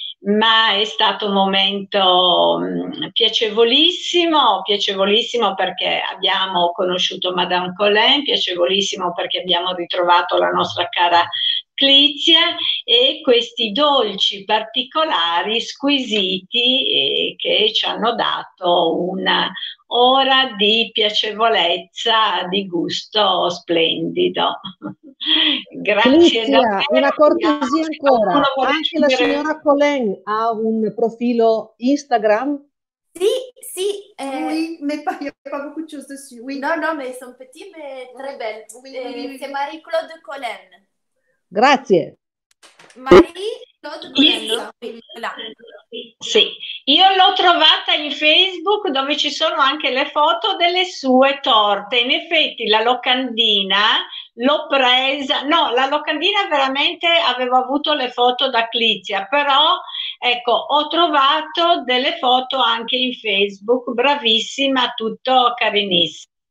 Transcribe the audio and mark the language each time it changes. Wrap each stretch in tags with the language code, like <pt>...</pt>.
<it>Ma è stato un momento piacevolissimo, piacevolissimo perché abbiamo conosciuto Madame Colin, piacevolissimo perché abbiamo ritrovato la nostra cara Clizia e questi dolci particolari squisiti che ci hanno dato un'ora di piacevolezza, di gusto splendido. Grazie Clizia, davvero. Una cortesia ancora, anche la signora Colin ha un profilo Instagram? Sì, sì.</it> <fr>Oui, mais pas, il n'y a pas beaucoup de choses dessus. Oui. No, no, mais sono petit, mais très belle. Oui, oui, oui. C'est Marie-Claude Colin.</fr> <it>Grazie. Marie-Claude Colin. Sì, io l'ho trovata in Facebook dove ci sono anche le foto delle sue torte. In effetti la locandina l'ho presa, no, la locandina veramente avevo avuto le foto da Clizia, però ecco, ho trovato delle foto anche in Facebook, bravissima, tutto carinissimo.</it>